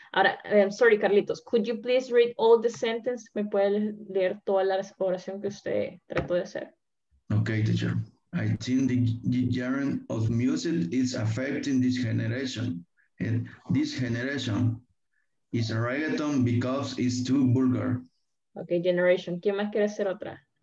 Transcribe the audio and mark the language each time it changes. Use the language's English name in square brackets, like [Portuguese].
[English] Ahora, sorry, Carlitos, could you please read all the sentence? [Spanish] ¿Me puede leer toda la oración que usted trató de hacer? [English] Okay, teacher. I think the genre of music is affecting this generation. And this generation is reggaeton because it's too vulgar. Okay, generation. [Spanish] ¿Quién más quiere hacer otra?